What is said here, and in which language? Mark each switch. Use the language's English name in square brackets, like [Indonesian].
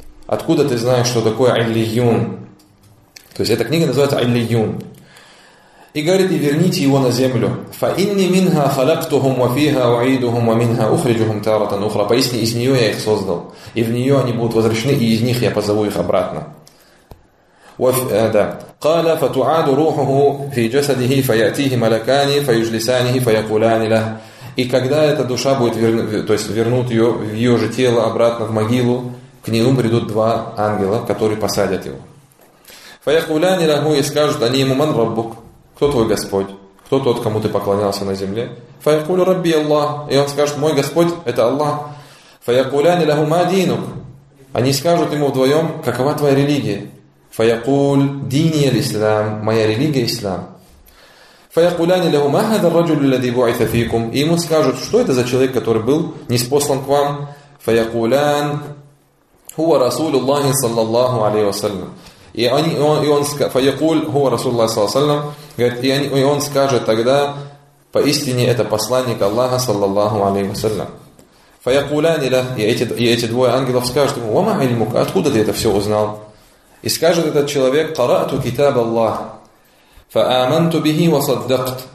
[Russian] Откуда ты знаешь, что такое Алиюн? То есть эта книга называется Алиюн. И говорит: «И верните его на землю». [Arabic] فَإِنِّي مِنْهَا خَلَقْتُهُمْ وَفِيهَا وَعِيدُهُمْ وَمِنْهَا أُخْرِجُهُمْ تَارَةً أُخْرَى. [Russian] Поистине из нее я их создал, и в нее они будут возвращены, и из них я позову их обратно. [Arabic] قال فتعاد روحه في جسده فيأتيه ملكان فيجلسانه فيقولان له. [Russian] И когда эта душа будет вернут ее в ее же тело обратно в могилу, к нему придут два ангела, которые посадят его. [Arabic] Фаяхуляни лагу, [Russian] и скажут они ему: [Arabic] «Ман раббук», [Russian] кто твой Господь, кто тот, кому ты поклонялся на земле? [Arabic] Фаякулю рабби Аллах, [Russian] и он скажет: мой Господь это Аллах. [Arabic] Фаякуляни лагу ма динук, [Russian] они скажут ему вдвоем: какова твоя религия? [Arabic] Фаякуль дини аль-ислам, [Russian] моя религия ислам. [Arabic] فَيَقُولَانِ لَهُ مَا هَذَا الرَّجُلُ الَّذِي بُعِثَ فِيكُمْ. [Russian] И ему скажут: что это за человек, который был ниспослан к вам? [Arabic] فَيَقُولَانِ هُوَ رَسُولُ اللَّهِ صَلَّى اللَّهُ عَلَيْهِ وَسَلَّمَ. [Russian] И он скажет: [Arabic] فَيَقُولْ هُوَ رَسُولُ اللَّهِ صَلَّى اللَّهُ عَلَيْهِ وَسَلَّمَ. [Russian] И он скажет тогда: поистине это посланник Аллаха صَلَّى اللَّهُ عَلَيْهِ وَسَلَّمَ. [Arabic] فَيَقُولَانِ لَهُ, [Russian] и эти двое ангелов скажут ему: [Arabic] وَمَا عِلْمُكَ, [Russian] откуда ты это все узнал? И скажет этот человек: [Arabic] قَرَأْتُ كِتَابَ اللَّهِ. فَآمَنْتُ بِهِ وَصَدَّقْتُ.